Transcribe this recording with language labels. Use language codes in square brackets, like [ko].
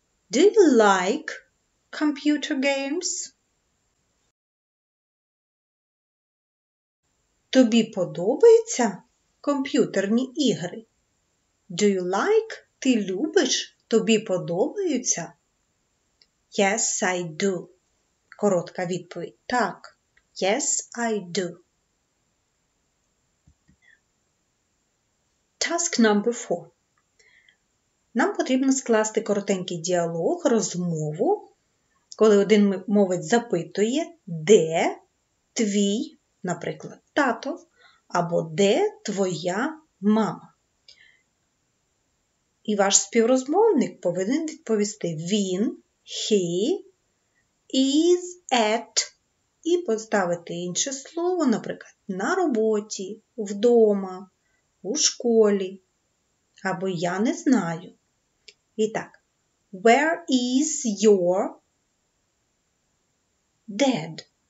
[en] Do you like computer games? [uk] Тобі подобаються комп'ютерні ігри? [en] Do you like? [uk] Ти любиш? Тобі подобаються? [en] Yes, I do. [uk] Коротка відповідь. Так. [en] Yes, I do. Task number 4. [uk] Нам потрібно скласти коротенький діалог, розмову, коли один мовець запитує, де твій, наприклад, тато, або де твоя мама. І ваш співрозмовник повинен відповісти він, [en] he, is at, [uk] і поставити інше слово, наприклад, на роботі, вдома, у школі, або я не знаю. І так, [en] where is your dad?